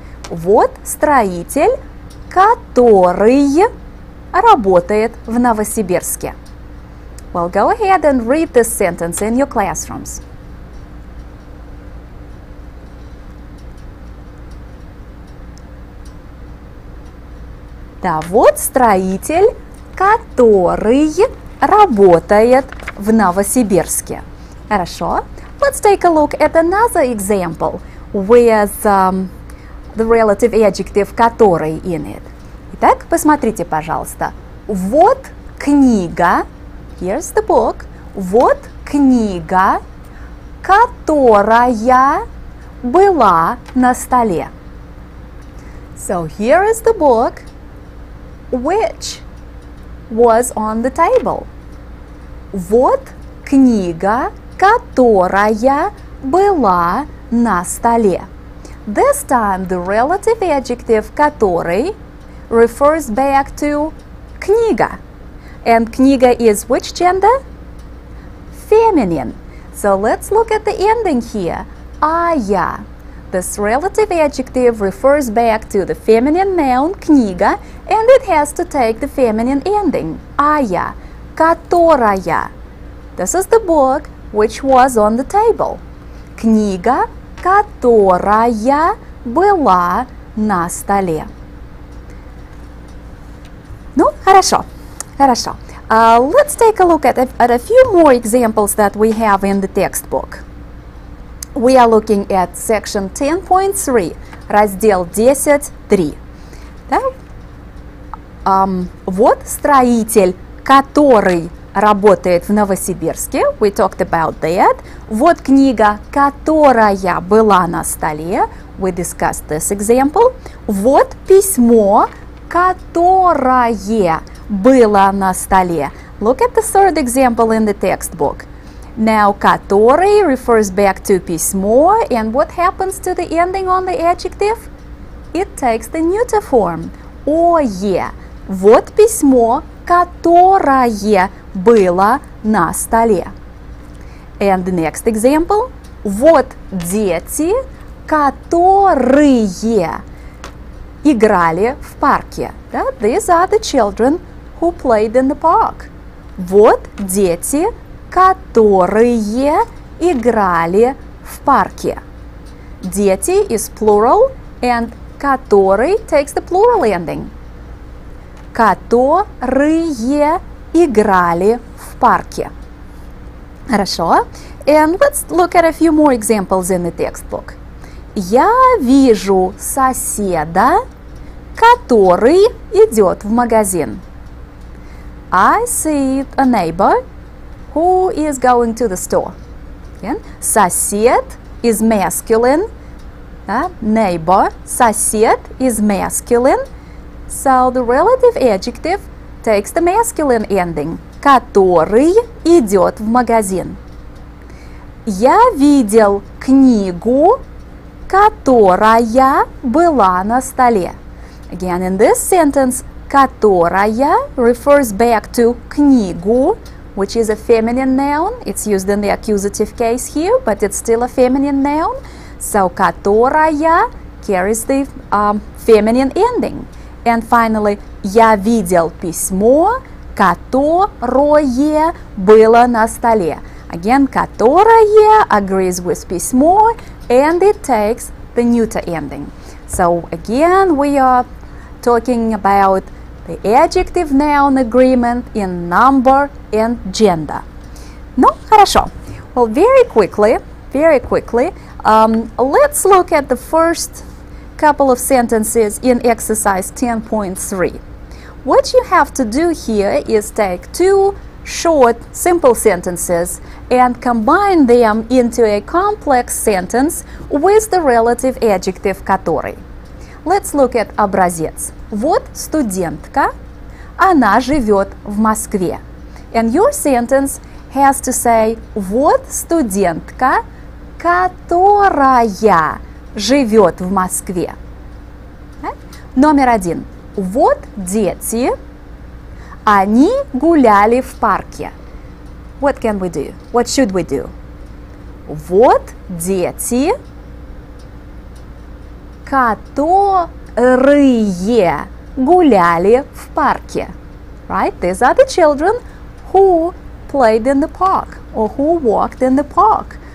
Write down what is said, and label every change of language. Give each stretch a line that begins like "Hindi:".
Russian: Вот строитель, который работает в Новосибирске.
English: Well, go ahead and read this sentence in your classrooms.
Russian: Да, вот строитель, который работает в Новосибирске. Хорошо.
English: Let's take a look at another example with the relative adjective который in it.
Russian: Итак, посмотрите, пожалуйста. Вот книга.
English: Here's the book.
Russian: Вот книга, которая была на столе.
English: So here is the book which was on the table.
Russian: Вот книга, которая была на столе.
English: This time the relative adjective который refers back to книга. And книга is which gender? Feminine. So let's look at the ending here. Ая. This relative adjective refers back to the feminine noun книга, and it has to take the feminine ending.
Russian: Ая, которая.
English: This is the book which was on the table.
Russian: Книга, которая была на столе. Ну, хорошо, хорошо.
English: Let's take a look at a few more examples that we have in the textbook. We are looking at section 10.3,
Russian: раздел 10.3. Да? Вот строитель, который работает в Новосибирске.
English: We talked about that.
Russian: Вот книга, которая была на столе.
English: We discussed this example.
Russian: Вот письмо, которое было на столе.
English: Look at the third example in the textbook. Now, который refers back to письмо, and what happens to the ending on the adjective? It takes the neuter form. Ое.
Russian: Вот письмо, которое было на столе.
English: And the next example.
Russian: Вот дети, которые играли в парке.
English: That, these are the children who played in the park.
Russian: Вот дети, которые играли в парке.
English: Дети is plural, and который takes the plural ending.
Russian: Которые играли в парке. Хорошо.
English: And let's look at a few more examples in the textbook.
Russian: Я вижу соседа, который идет в магазин.
English: I see a neighbor who is going to the store. Again, сосед is masculine. Neighbor, сосед is masculine. So the relative adjective takes the masculine ending.
Russian: Который идет в магазин. Я видел книгу, которая была на столе.
English: Again, in this sentence, которая refers back to книгу, which is a feminine noun. It's used in the accusative case here, but it's still a feminine noun. So, которая carries the feminine ending. And finally,
Russian: я видел письмо, которое было на столе.
English: Again, которое agrees with письмо, and it takes the neuter ending. So, again, we are talking about the adjective noun agreement in number and gender.
Russian: Ну, хорошо.
English: Well, very quickly, let's look at the first couple of sentences in exercise 10.3. What you have to do here is take two short, simple sentences and combine them into a complex sentence with the relative adjective который. Let's look at образец.
Russian: Вот студентка, она живет в Москве.
English: And your sentence has to say,
Russian: вот студентка, которая живет в Москве. Номер один. Вот дети, они гуляли в парке.
English: What can we do? What should we do?
Russian: Вот дети, которые гуляли в парке.
English: Right? These are the children who played in the park or who walked in the park.